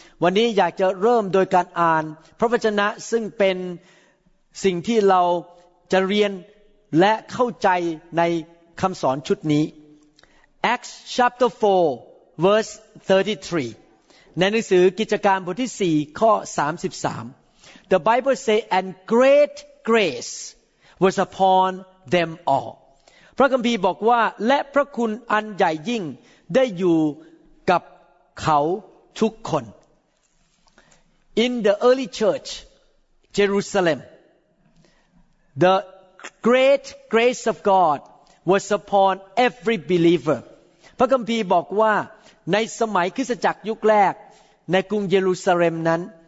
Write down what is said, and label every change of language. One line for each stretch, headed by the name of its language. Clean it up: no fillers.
Thai: วันนี้อยากจะเริ่มโดยการอ่านพระวจนะซึ่งเป็นสิ่งที่เราจะเรียนและเข้าใจในคำสอนชุดนี้
English: Acts chapter 4 verse 33.
Thai: ในหนังสือกิจการบทที่4ข้อ33.
English: The Bible says, "And great grace was upon them all."
Thai: พระคัมภีร์บอกว่าและพระคุณอันใหญ่ยิ่งได้อยู่กับเขาทุกคน
English: In the early church Jerusalem the great grace of God was upon every believer
Thai: พระคัมภีร์บอกว่าในสมัยคริสตจักรยุคแรกในกรุงเยรูซาเล็มนั้น